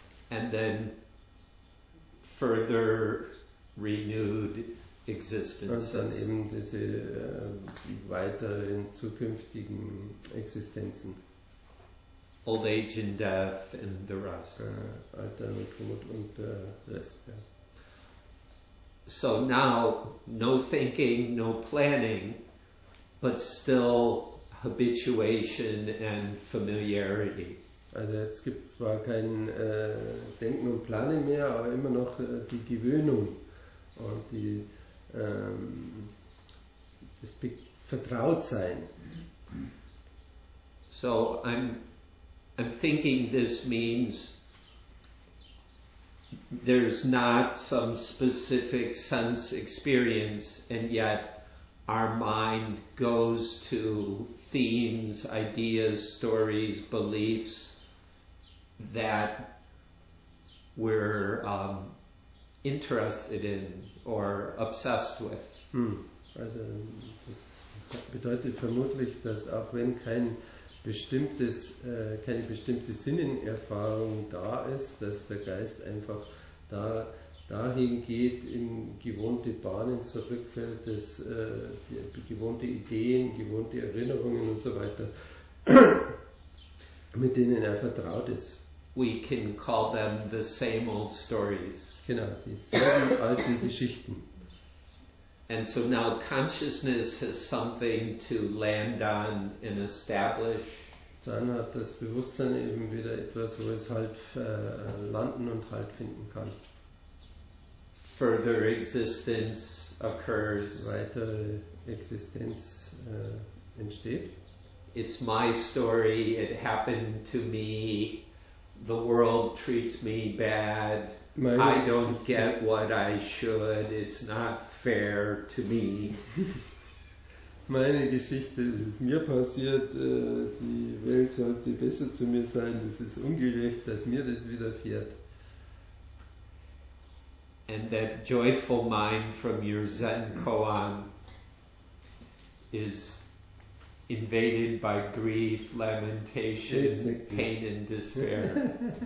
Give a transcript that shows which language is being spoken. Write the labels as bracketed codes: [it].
[en] And then further renewed existences. [de] Und dann eben diese die weiteren zukünftigen Existenzen. [en] Old age and death and the rest. [de] Alter und Tod und der Rest, ja. [en] So now, no thinking, no planning, but still habituation and familiarity. [de] Also jetzt gibt es zwar kein Denken und Planen mehr, aber immer noch die Gewöhnung und die, das Vertrautsein. [en] So I'm thinking this means there's not some specific sense experience, and yet our mind goes to themes, ideas, stories, beliefs that we're interested in or obsessed with. [de] Also das bedeutet vermutlich, dass auch wenn kein bestimmtes, keine bestimmte Sinnenerfahrung da ist, dass der Geist einfach da dahin geht, in gewohnte Bahnen zurückfällt, dass gewohnte Ideen, gewohnte Erinnerungen und so weiter, mit denen er vertraut ist. [en] We can call them the same old stories. [de] Genau, dieselben alten Geschichten. [en] And so now consciousness has something to land on and establish. [de] Dann hat das Bewusstsein eben wieder etwas, wo es halt landen und halt finden kann. [en] Further existence occurs. [de] Weitere Existenz entsteht. [en] It's my story, it happened to me. The world treats me bad. I don't get what I should. It's not fair to me. [de] Meine Geschichte, es ist mir passiert, die Welt sollte besser zu mir sein. Es ist ungerecht, dass mir das widerfährt. [en] And that joyful mind from your Zen koan is invaded by grief, lamentation, pain and despair.